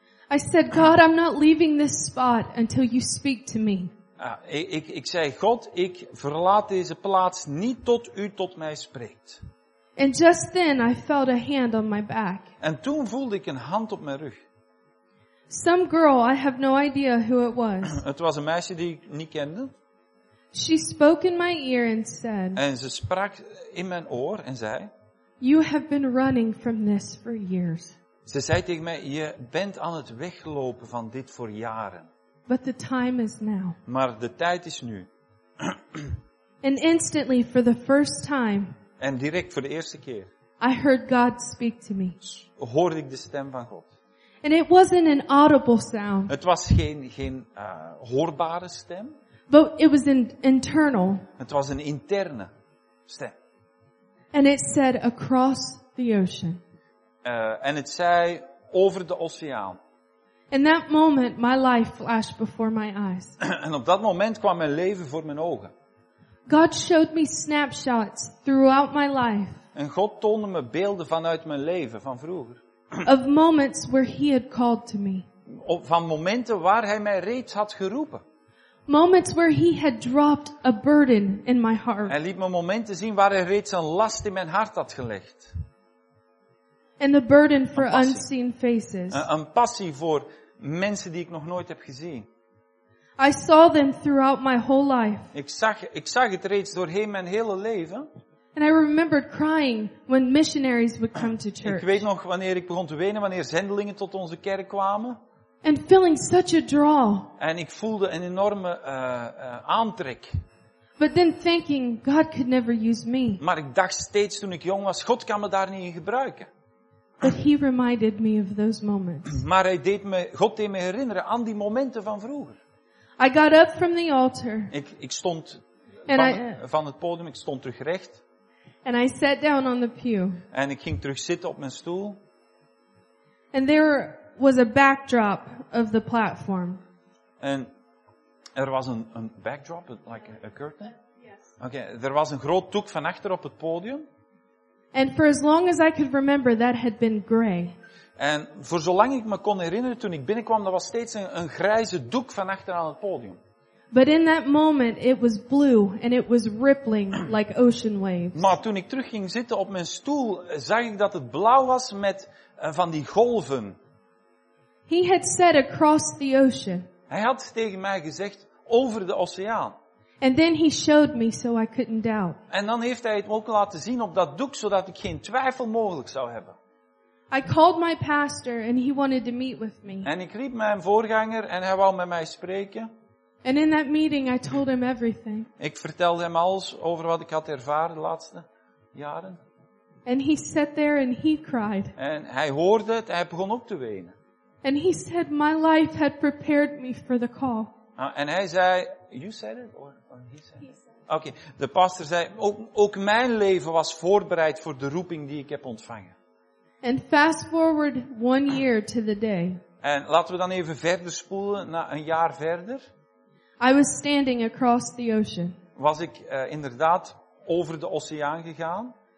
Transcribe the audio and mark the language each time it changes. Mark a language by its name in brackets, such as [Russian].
[English] I said, God, I'm not leaving this spot until you speak to me. [Dutch] Ik zei, God, ik verlaat deze plaats niet tot u tot mij spreekt. [English] And just then I felt a hand on my back. [Dutch] En toen voelde ik een hand op mijn rug. [English] Some girl, I have no idea who it was. [Dutch] Het was een meisje die ik niet kende. [English] She spoke in my ear and said, [Dutch] en ze sprak in mijn oor en zei, [English] you have been running from this for years. [Dutch] Ze zei tegen mij, je bent aan het weglopen van dit voor jaren. [English] But the time is now. [Dutch] Maar de tijd is nu. [English] And instantly, for the first time, [Dutch] en direct voor de eerste keer, [English] I heard God speak to me. [Dutch] Hoorde ik de stem van God. [English] And it wasn't an audible sound. [Dutch] Het was geen hoorbare stem. [English] But it was an internal. [Dutch] Het was een interne stem. [English] And it said across the ocean. [Dutch] En het zei over de oceaan. [English] In that moment, my life flashed before my eyes. [Dutch] En op dat moment kwam mijn leven voor mijn ogen. [English] God showed me snapshots throughout my life. [Dutch] En God toonde me beelden vanuit mijn leven van vroeger. [English] Of moments where He had called to me. [Dutch] Van momenten waar Hij mij reeds had geroepen. [English] Moments where He had dropped a burden in my heart. [Dutch] Hij liet me momenten zien waar Hij reeds een last in mijn hart had gelegd. [English] And the burden for unseen faces. [Dutch] Een passie voor mensen die ik nog nooit heb gezien. [English] I saw them throughout my whole life. [Dutch] Ik zag het reeds doorheen mijn hele leven. [English] And I remembered crying when missionaries would come to church. [Dutch] Ik weet nog wanneer ik begon te wenen wanneer zendelingen tot onze kerk kwamen. [English] And feeling such a draw. [Dutch] En ik voelde een enorme aantrek. [English] But then thinking God could never use me. [Dutch] Maar ik dacht steeds toen ik jong was, God kan me daar niet in gebruiken. [English] But He reminded me of those moments. [Dutch] Maar Hij deed me, God deed me herinneren aan die momenten van vroeger. [English] I got up from the altar. [Dutch] Ik stond van het podium, ik stond terug recht. [English] And I sat down on the pew. [Dutch] En ik ging terug zitten op mijn stoel. [English] And there was a backdrop of the platform. [Dutch] En er was een backdrop, [English] like a curtain? Yes. [Dutch] Okay, er was een groot doek van achter op het podium. [English] And for as long as I could remember, that had been gray. [Dutch] En voor zolang ik me kon herinneren, toen ik binnenkwam, dat was steeds een grijze doek van achter aan het podium. [English] But in that moment, it was blue and it was rippling like ocean waves. [Dutch] Maar toen ik terug ging zitten op mijn stoel, zag ik dat het blauw was met van die golven. [English] He had said across the ocean. [Dutch] Hij had tegen mij gezegd over de oceaan. [English] And then He showed me so I couldn't doubt. [Dutch] En dan heeft Hij het me ook laten zien op dat doek, zodat ik geen twijfel mogelijk zou hebben. [English] I called my pastor and he wanted to meet with me. [Dutch] En ik riep mijn voorganger en hij wou met mij spreken. [English] And in that meeting I told him everything. [Dutch] Ik vertelde hem alles over wat ik had ervaren de laatste jaren. [English] And he sat there and he cried. [Dutch] En hij hoorde het en hij begon ook te wenen. [English] And he said, my life had prepared me for the call. [Dutch] En hij zei, [English] you said it or he said it? Okay. [Dutch] De pastor zei, ook mijn leven was voorbereid voor de roeping die ik heb ontvangen. [English] And fast forward 1 year to the day. [Dutch] En laten we dan even verder spoelen naar een jaar verder. [English] I was standing across the ocean. [Dutch] Was ik inderdaad over de oceaan gegaan?